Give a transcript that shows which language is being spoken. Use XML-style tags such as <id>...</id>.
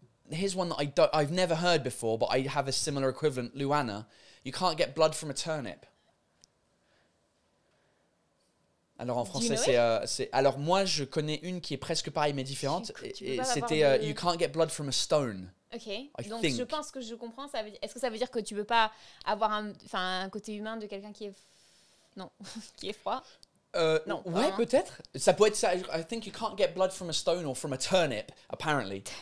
<en>Here's one that I've never heard before, but I have a similar equivalent. Luana, you can't get blood from a turnip.</en> <fr>Alors en français, c'est... Alors moi, je connais une qui est presque pareille, mais différente. C'était</fr> <en>you can't get blood from a stone.</en> <fr>Ok, donc je pense que je comprends. Ça veut dire, est-ce que ça veut dire que tu ne peux pas avoir un côté humain de quelqu'un qui est... Non, qui est froid? Non, ouais, vraiment. Peut-être. Ça peut être ça.</fr> <en>I think you can't get blood from a stone or from a turnip, apparently.</en>